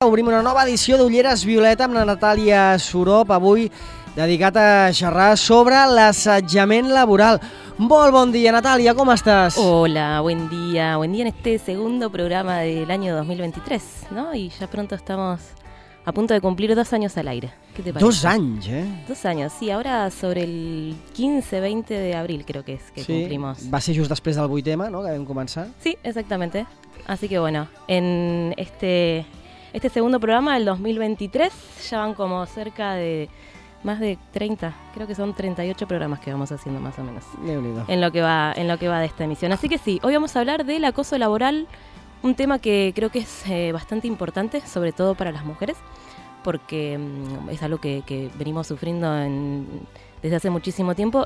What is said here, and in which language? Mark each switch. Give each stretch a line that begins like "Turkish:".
Catalan: obrim una nova edició d'Ulleres Violeta amb la Natàlia Sorop, avui dedicat a xerrar sobre l'assetjament laboral. Molt bon dia, Natàlia, com estàs?
Spanish: Hola, buen día en este segundo programa del año 2023, ¿no? Y ya pronto estamos a punto de cumplir 2 años al aire. ¿Qué te parece? 2 años, ¿eh? 2 años, sí, ahora sobre el 15-20 de abril creo que es que sí, cumplimos.
Catalan: Va ser just després del 8M, ¿no?, que vam començar.
Spanish: Sí, exactamente. Así que bueno, en este segundo programa del 2023 ya van como cerca de más de 30, creo que son 38 programas que vamos haciendo más o menos. Bienvenido. En lo que va de esta emisión. Así que sí, hoy vamos a hablar del acoso laboral, un tema que creo que es bastante importante, sobre todo para las mujeres, porque es algo que venimos sufriendo desde hace muchísimo tiempo.